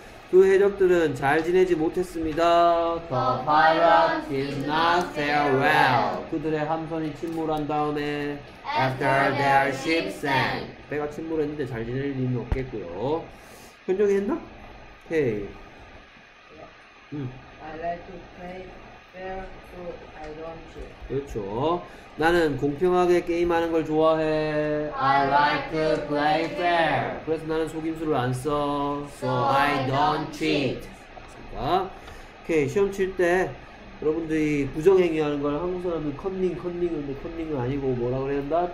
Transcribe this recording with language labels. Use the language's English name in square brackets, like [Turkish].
[Korean] 그 해적들은 잘 지내지 못했습니다. [English] The pirates did not fare well. [Korean] 그들의 함선이 침몰한 다음에 [English] After their ship sank. [Korean] 배가 침몰했는데 잘 지낼 리는 없겠고요. 현정이 했나? 오케이. [English] I like to play fair so I don't cheat. [Korean] 그렇죠. 나는 공평하게 게임하는 걸 좋아해. [English] I like to play fair. [Korean] 그래서 나는 속임수를 안 써. [English] So I don't cheat. [Korean] 맞습니다. 오케이. 시험 칠 때 여러분들이 부정행위하는 걸 한국 사람들은 컨닝은 아니고 뭐라 그래야 한다?